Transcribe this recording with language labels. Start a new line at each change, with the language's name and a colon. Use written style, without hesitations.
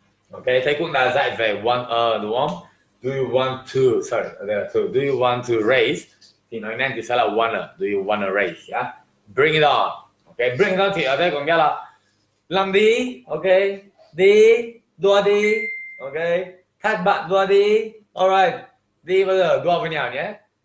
Vietnamese: Okay, thầy cũng đã dạy về wanna, đúng không?
English: Do you want to, sorry, so do you want to race?
Vietnamese: Thì nói nên thì sẽ là
English: wanna, do you wanna race, yeah? Bring it on.
Vietnamese: Okay,
English: bring it on
Vietnamese: thì ở đây có nghĩa là làm đi, ok, đi, đua đi, ok, khách bạn đua đi, alright, đi bây giờ đua với nhau nhé.